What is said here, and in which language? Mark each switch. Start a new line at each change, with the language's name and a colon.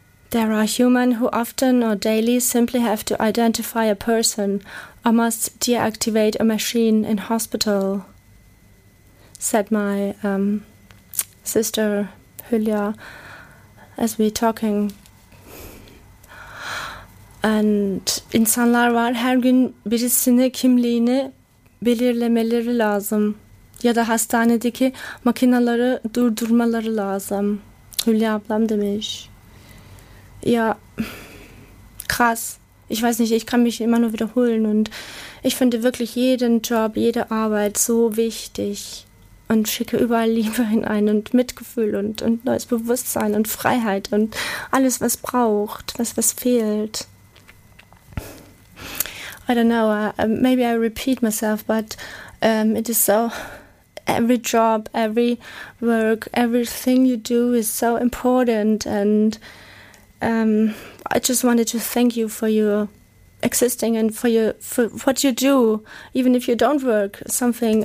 English: There are human who often or daily simply have to identify a person or must deactivate a machine in hospital, said my sister Hülya as we're talking.
Turkish: And insanlar var, her gün birisini kimliğini belirlemeleri lazım ya da hastanedeki makinaları durdurmaları lazım, Hülya ablam demiş.
German: Ja, krass. Ich weiß nicht, ich kann mich immer nur wiederholen und ich finde wirklich jeden Job, jede Arbeit so wichtig und schicke überall Liebe hinein und Mitgefühl und neues Bewusstsein und Freiheit und alles, was braucht, was fehlt.
English: I don't know, maybe I repeat myself, but it is so, every job, every work, everything you do is so important and I just wanted to thank you for your existing and for what you do, even if you don't work something.